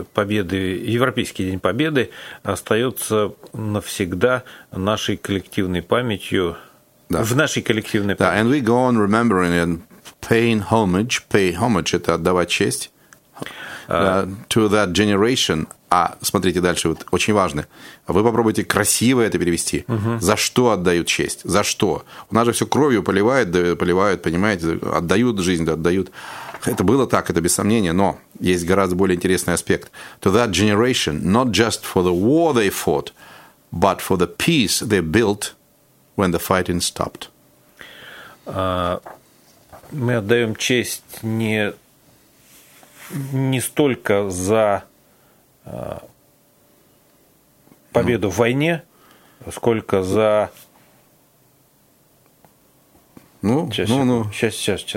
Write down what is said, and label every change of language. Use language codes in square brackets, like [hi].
[ru] Европейский День Победы остается навсегда нашей коллективной памятью, да. В нашей коллективной памяти. Да, [en] and we go on remembering and paying homage. Pay homage – [ru] это отдавать честь [en] to that generation. [ru] А смотрите дальше, вот очень важно. Вы попробуйте красиво это перевести. Uh-huh. За что отдают честь? За что? У нас же все кровью поливают, понимаете, отдают жизнь, да, отдают. Это было так, это без сомнения, но есть гораздо более интересный аспект. [en] To that generation, not just for the war they fought, but for the peace they built when the fighting stopped. [ru] Мы отдаем честь не столько за победу в войне, сколько за... Сейчас,